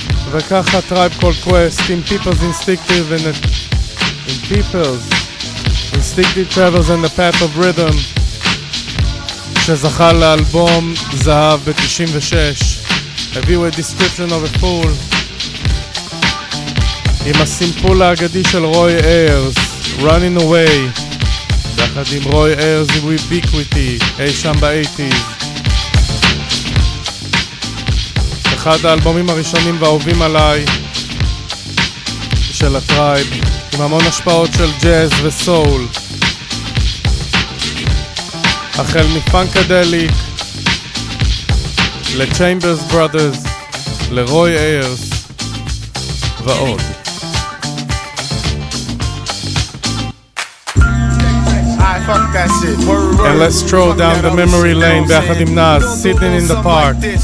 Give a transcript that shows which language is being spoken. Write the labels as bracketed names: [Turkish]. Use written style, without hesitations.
[Hebrew] וככה Tribe Called Quest עם People's Instinctive and People's Instinctive Travels and the Path of Rhythm, שזכה לאלבום זהב ב-96, הביאו את Description of a Fool עם הסימפול האגדי של רוי איירס, Running Away, יחד עם רוי איירס עם Ubiquity, אי שם ב-80s. אחד האלבומים הראשונים והאהובים עליי של הטרייב, עם המון השפעות של ג'אז וסול, החל מפאנקדליק לצ'יימברס ברודרס לרוי איירס ועוד. [English] And let's stroll down the memory lane [Hebrew] ביחד עם [English] נאז, sitting in the park.